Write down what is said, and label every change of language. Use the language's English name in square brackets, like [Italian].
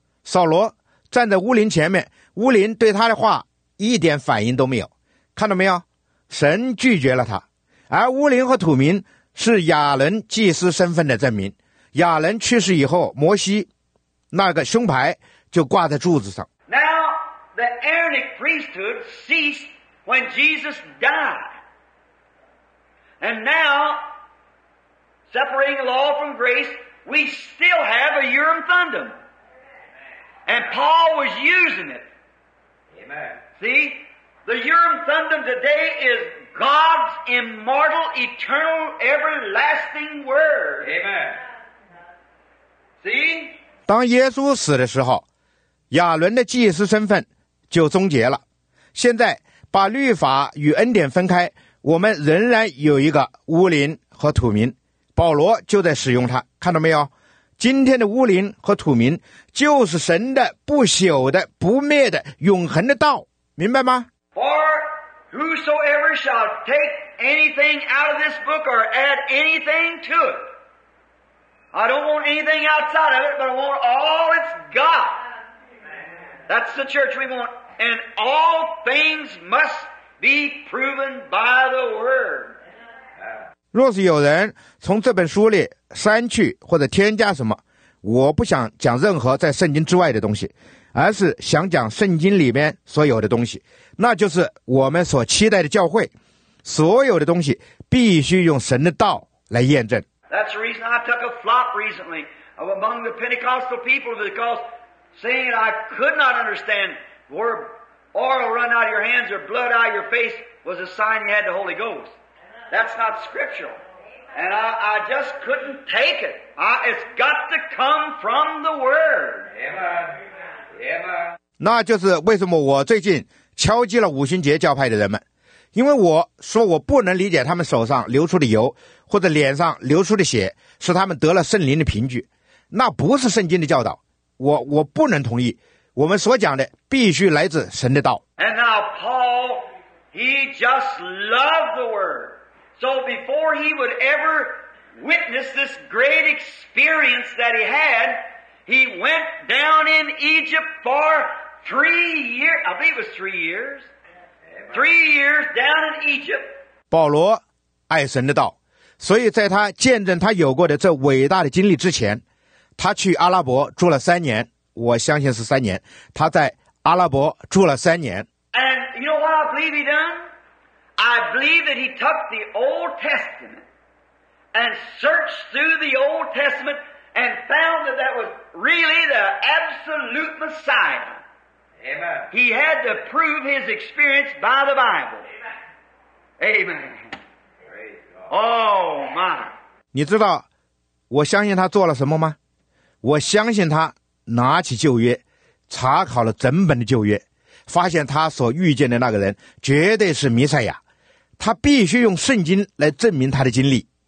[Chinese] 扫罗站在乌灵前面，乌灵对他的话一点反应都没有，看到没有，神拒绝了他，而乌灵和土民是亚伦祭司身份的证明。亚伦去世以后，摩西那个胸牌就挂在柱子上。 [English] Now the Aaronic priesthood ceased when Jesus died, and now separating the law from grace, we still have a Urim Thummim, and Paul was using it. Amen. See, the Urim Thummim today is God's immortal, eternal, everlasting word. Amen. See. [Chinese] 当耶稣死的时候，亚伦的祭司身份就终结了。现在把律法与恩典分开，我们仍然有一个乌林和土民，保罗就在使用它，看到没有？今天的乌林和土民就是神的不朽的不灭的永恒的道，明白吗？ [English] For whosoever shall take anything out of this book or add anything to it, I don't want anything outside of it, but I want all it's got. That's the church we want. And all things must be proven by the word. [Chinese] 若是有人从这本书里删去或者添加什么，我不想讲任何在圣经之外的东西，而是想讲圣经里面所有的东西，那就是我们所期待的教会。所有的东西必须用神的道来验证。 [English] That's the reason I took a flop recently among the Pentecostal people, because saying I could not understand where oil run out of your hands or blood out of your face was a sign you had the Holy Ghost. That's not scriptural. And I just couldn't take it. It's got to come from the Word. Amen. [Chinese] 那就是为什么我最近敲击了五旬节教派的人们。因为我说我不能理解他们手上流出的油或者脸上流出的血是他们得了圣灵的凭据，那不是圣经的教导，我不能同意。我们所讲的必须来自神的道。 [English] And now Paul, he just loved the word. So before he would ever witness this great experience that he had, he went down in Egypt for 3 years. I believe it was 3 years. 3 years down in Egypt. [Chinese] 保罗爱神的道，所以在他见证他有过的这伟大的经历之前，他去阿拉伯住了三年，我相信是三年，他在阿拉伯住了三年。 [English] And you know what I believe he done? I believe that he took the Old Testament and searched through the Old Testament and found that that was really the absolute Messiah. Amen. He had to prove his experience by the Bible. Amen. Amen. Oh my! [Chinese] 你知道我相信他做了什么吗？我相信他拿起旧约，查考了整本的旧约，发现他所遇见的那个人绝对是弥赛亚，他必须用圣经来证明他的经历。